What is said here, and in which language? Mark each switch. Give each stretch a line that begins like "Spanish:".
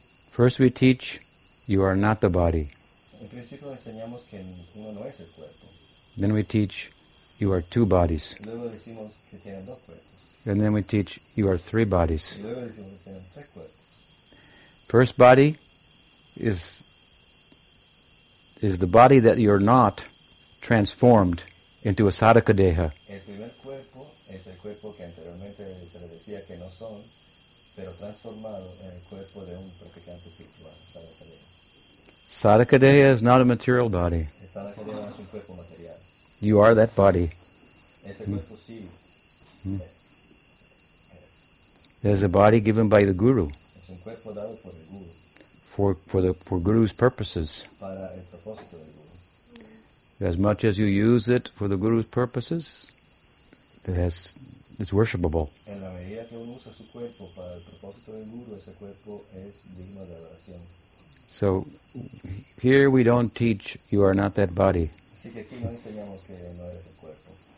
English: First we teach, you are not the body.
Spanish: principio enseñamos que uno no es el cuerpo.
English: Then we teach you are two bodies.
Spanish: Luego decimos que tienen dos cuerpos.
English: And then we teach you are three bodies.
Spanish: Y luego decimos que tienen tres cuerpos.
English: First body is the body that you're not transformed into a sadaka deha.
Spanish: El primer cuerpo es el cuerpo que anteriormente se le decía que no son, pero transformado en el cuerpo de un practicante espiritual, sadaka deha.
English: Sadaka deha is not a material body.
Spanish: El sadaka deha es un cuerpo material.
English: You are that body.
Spanish: Ese cuerpo sí. Mm. Es.
English: There's a body given by the guru.
Spanish: Es un cuerpo dado por el guru.
English: For guru's purposes.
Spanish: Para el propósito del guru.
English: As much as you use it for the guru's purposes, it's worshipable.
Spanish: En la medida que uno usa su cuerpo para el propósito del guru, ese cuerpo es digno de adoración.
English: So, here we don't teach you are not that body.
Spanish: Así que aquí no enseñamos que no eres el cuerpo.